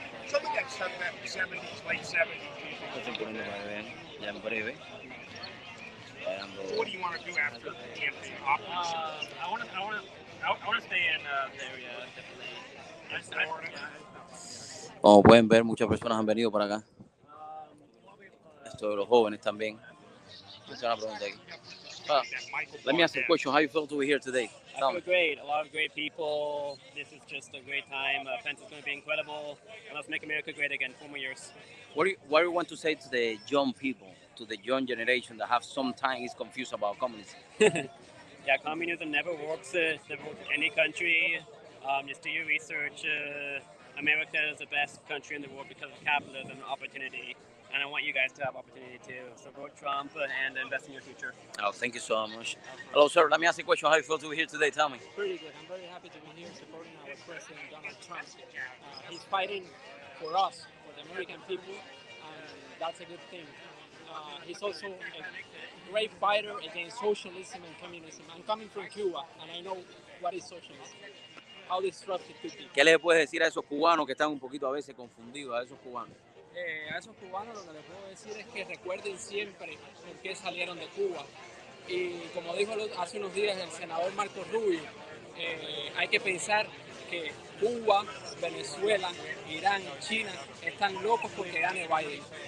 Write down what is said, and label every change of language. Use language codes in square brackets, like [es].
[en] Something got stuck back in the 70s, late 70s. I think we're in the way, man. Yeah, I'm What do you want to do after the campaign? I want to stay in the area, definitely. [es] Como pueden ver, muchas personas han venido para acá. Esto de los jóvenes también. Es una pregunta aquí. [en] Let me ask you a question. How you feel to be here today? I feel great. A lot of great people. This is just a great time. Pence is going to be incredible. And let's make America great again. Four more years. What do you want to say to the young people, to the young generation that have sometimes confused about communism? Yeah, communism never works. Never works in any country. Just do your research. America is the best country in the world because of capitalism and opportunity. And I want you guys to have opportunity to support Trump and invest in your future. Oh, thank you so much. Hello, sir. Let me ask you a question. How do you feel to be here today? Tell me. Pretty good. I'm very happy to be here supporting our president, Donald Trump. He's fighting for us, for the American people, and that's a good thing. He's also a great fighter against socialism and communism. I'm coming from Cuba, and I know what is socialism. How disruptive could be. [es] ¿Qué le puedes decir a esos cubanos que están un poquito a veces confundidos, a esos cubanos? A esos cubanos lo que les puedo decir es que recuerden siempre por qué salieron de Cuba. Y como dijo hace unos días el senador Marco Rubio, hay que pensar que Cuba, Venezuela, Irán, China están locos porque gane Biden.